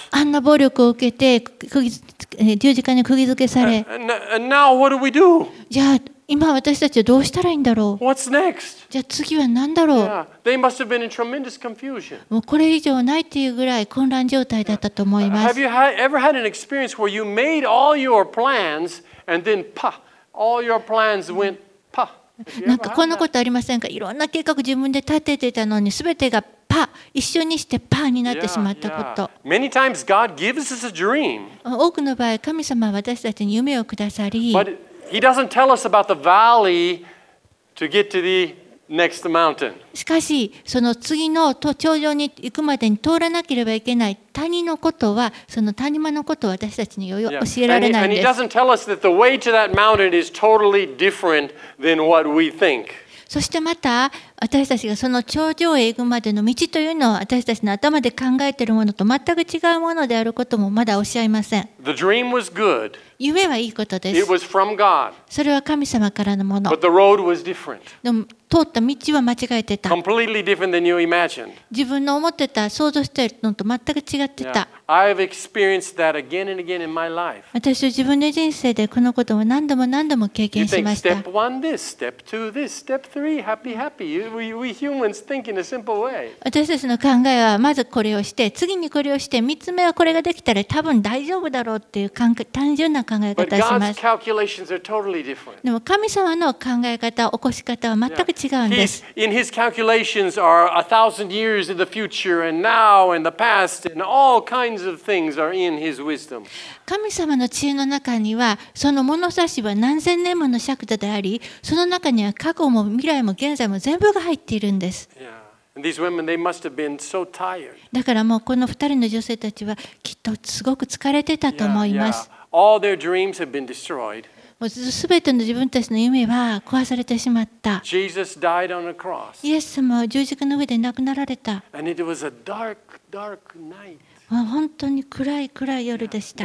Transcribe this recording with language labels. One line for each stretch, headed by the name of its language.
Japanese: あんな暴力を受けて十字架に釘付けされ、
English: And now what do we do?
Japanese: じゃあ今私たちはどうしたらいいんだろう。
English: What's next?
Japanese: じゃあ次は何だろう。
English: Yeah, they must have been in tremendous confusion.
Japanese: もうこれ以上ないっていうぐらい混乱状態だったと思います。
English: Have you ever had an experience where you made all your plans and then pa, all your plans went pa?
Japanese: なんかこんなことありませんか。いろんな計画自分で立ててたのに全てがパ、一緒にしてパーになってしまったこと。
English: Many times God gives us a dream.
Japanese: 多くの場合神様は私たちに夢をくださり。
English: He doesn't tell us about the valley to get to the next mountain.
Japanese: しかし、その次の頂上に行くまでに通らなければいけない谷のことは、その谷間のことは私たちに教えられないんです。
English: And he doesn't tell us that the way to that mountain is totally different than what we think.
Japanese: そしてまた、私たちがその頂上へ行くまでの道というのは、私たちの頭で考えているものと全く違うものであることもまだ教えません。
English: The dream was good.
Japanese: 夢はいいことです。
English: It was from God.
Japanese: それは神様からのもの。
English: But the road was different.
Japanese: でも通った道は間違えてた。
English: Completely different than you imagined.
Japanese: 自分の思ってた、想像してるのと全く違ってた。
English: Yeah. I've experienced that again and again in my life.
Japanese: 私は自分の人生でこのことを何度も何度も経験しました。
English: You think step one this, step two this, step three, happy, happy. We humans think in a simple way.
Japanese: 私たちの考えはまずこれをして、次にこれをして、三つ目はこれができたら多分大丈夫だろうっていう感覚、単純な考え方をします。
English: But God's are、totally、different.
Japanese: でも神様の考え方、起こし方は全く違うんです。
English: In his calculations are a thousand years in the future and now and the past and all kinds of things are in his wisdom.
Japanese: 神様の知恵の中にはその物差しは何千年もの尺度であり、その中には過去も未来も現在も全部が入っているんです。
English: Yeah. And these women, they must have been so tired.
Japanese: だからもうこの二人の女性たちはきっとすごく疲れてたと思います。
English: Yeah, yeah. All their dreams have been destroyed.
Japanese: もうすべての自分たちの夢は壊されてしまった。
English: Jesus died on a cross.
Japanese: イエス様は十字架の上で亡くなられた。
English: And it was a dark, dark night.
Japanese: もう本当に暗い暗い夜でした。